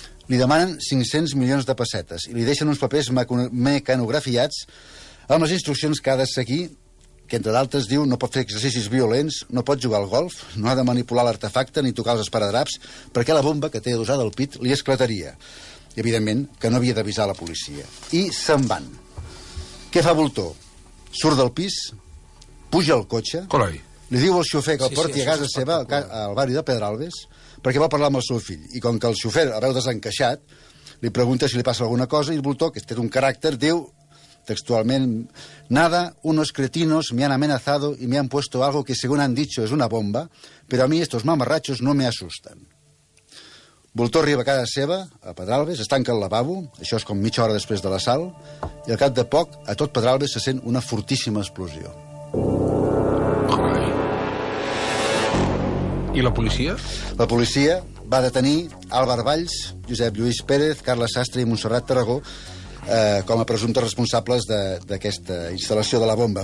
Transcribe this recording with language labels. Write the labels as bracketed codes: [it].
[ca] Li demanen 500 milions de pessetes i li deixen uns papers mecanografiats amb les instruccions que ha de seguir, que entre d'altres diu no pot fer exercicis violents, no pot jugar al golf, no ha de manipular l'artefacte ni tocar els esparadraps, perquè la bomba que té adossada al pit li esclataria. I, evidentment, que no havia d'avisar la policia. I se'n van. Què fa Voltó? Surt del pis, puja al cotxe, Coroi. Li diu al xofer que el porti a casa seva, al barri de Pedralbes, perquè va parlar amb el seu fill. I com que el xofer el veu desencaixat, li pregunta si li passa alguna cosa, i Voltó, que té un caràcter, diu textualment: [es] nada, unos cretinos me han amenazado y me han puesto algo que, según han dicho, es una bomba, pero a mí estos mamarrachos no me asustan. [ca] Voltó arriba a casa seva, a Pedralbes, es tanca el lavabo, això és com mitja hora després de l'assalt, i al cap de poc, a tot Pedralbes se sent una fortíssima explosió. I la policia? La policia va detenir Álvaro Valls, Josep Lluís Pérez, Carles Sastre i Montserrat Tarragó com a presumptes responsables d'aquesta instal·lació de la bomba.